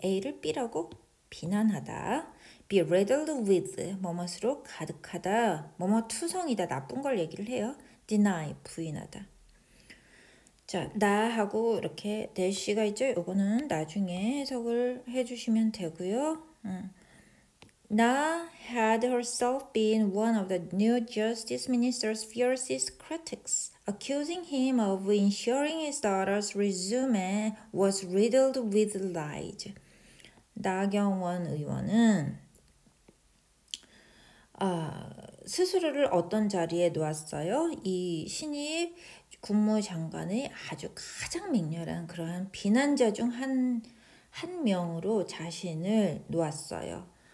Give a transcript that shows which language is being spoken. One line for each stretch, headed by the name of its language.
Korean: A를 B라고 비난하다.
English: be riddled with,
Korean: 뭐뭐수로 가득하다. 뭐뭐 투성이다. 나쁜 걸 얘기를 해요. deny, 부인하다. 자, 나하고 이렇게 대시가 있죠. 요거는 나중에 해석을 해주시면 되고요.
English: Na had herself been one of the new justice minister's fiercest critics, accusing him of ensuring his daughter's resume was riddled with lies.
Korean: 나경원 의원은 스스로를 어떤 자리에 놓았어요? 이 신입 국무장관의 아주 가장 맹렬한 그러한 비난자 중 한 명으로 자신을 놓았어요.